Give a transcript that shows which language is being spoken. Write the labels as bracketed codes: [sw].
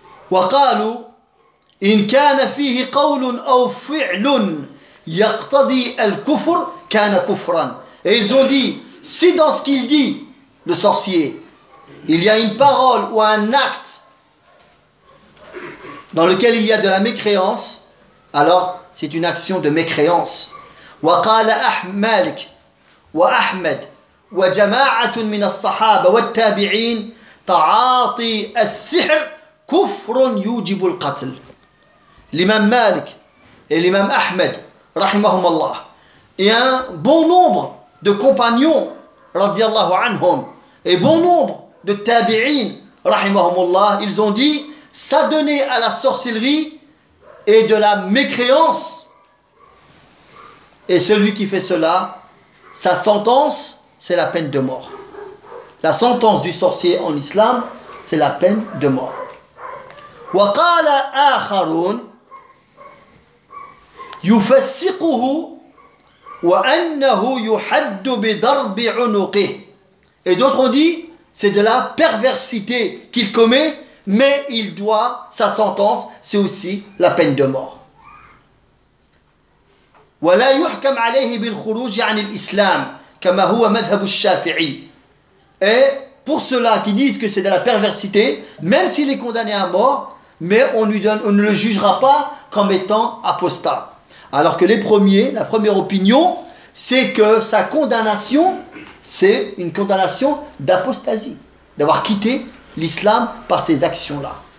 [ar] وقالوا إن كان فيه قول أو فعل يقتضي الكفر كان كفرا. [fr] Et ils ont dit, si dans ce qu'il dit, le sorcier, il y a une parole ou un acte dans lequel il y a de la mécréance, alors c'est une action de mécréance. [ar] وقال أحمالك وأحمد وجماعة من الصحابة والتابعين تعاطي السحر كفر يوجب القتل. [fr] L'imam Malik et l'imam Ahmed [ar] رحمهم الله [fr] et un bon nombre de compagnons [ar] radiyallahu anhum [fr] et bon nombre de tabi'in رحمهم الله, ils ont dit s'adonner à la sorcellerie et de la mécréance Et celui qui fait cela, sa sentence, c'est la peine de mort. La sentence du sorcier en islam, c'est la peine de mort. [ar] وقال آخرون يفسقه وأنه يحد بضرب عنقه. [fr] Et d'autres ont dit, c'est de la perversité qu'il commet, mais il doit sa sentence, c'est aussi la peine de mort. [ar] ولا يحكم عليه بالخروج عن الإسلام كما هو مذهب الشافعي. [fr] Et pour ceux-là qui disent que c'est de la perversité, même s'il est condamné à mort, mais on ne le jugera pas comme étant apostat. Alors que les premiers, la première opinion, c'est que sa condamnation, c'est une condamnation d'apostasie, d'avoir quitté l'islam par ces actions-là.